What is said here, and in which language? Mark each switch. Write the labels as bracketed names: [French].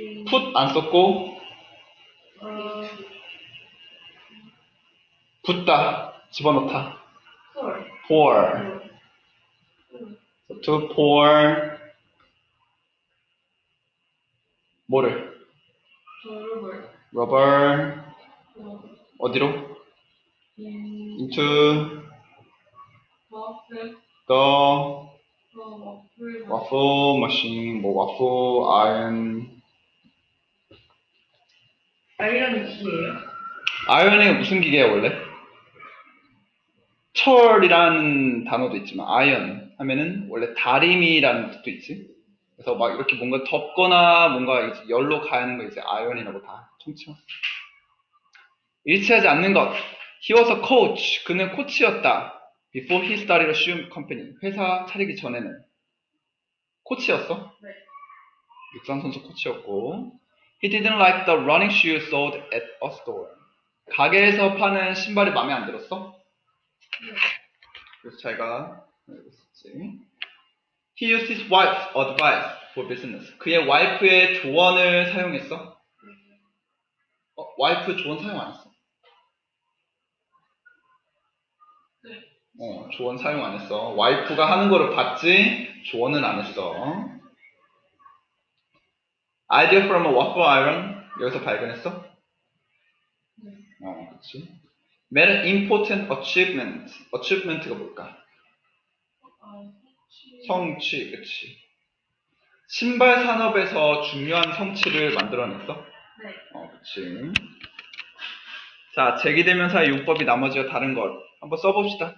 [Korean] put 안 썼고 붙다 집어넣다 [English] pour so to pour [Korean] 뭐를? [English] rubber [Korean] 어디로? [English] into the waffle machine 뭐 waffle iron [Korean] 아이언이 무슨 기계야? 아이언이 무슨 기계야 원래? 철이라는 단어도 있지만 아이언 하면은 원래 다림이라는 뜻도 있지. 그래서 막 이렇게 뭔가 덮거나 뭔가 이제 열로 가야 하는 거 이제 아이언이라고 다 통칭. 일치하지 않는 것. [English] He was a coach. [Korean] 그는 코치였다. [English] Before he started a shoe company. [Korean] 회사 차리기 전에는 코치였어? 네. 육상 선수 코치였고. [English] He didn't like the running shoe sold at a store. [Korean] 가게에서 파는 신발이 마음에 안 들었어? 네. 그래서 자기가 여기 있었지. [English] He used his wife's advice for business. [Korean] 그의 와이프의 조언을 사용했어? 어, 와이프 조언 사용 안 했어? 네. 어, 조언 사용 안 했어. 와이프가 하는 거를 봤지? 조언은 안 했어. [English] Idea from a waffle iron [Korean] 여기서 발견했어? 네. 어, 그렇지. [English] Made an important achievement. [Korean] Achievement가 뭘까? 성취, 그렇지. 신발 산업에서 중요한 성취를 만들어냈어? 네. 어, 그렇지. 자, 제기대명사의 용법이 나머지와 다른 것 한번 써봅시다.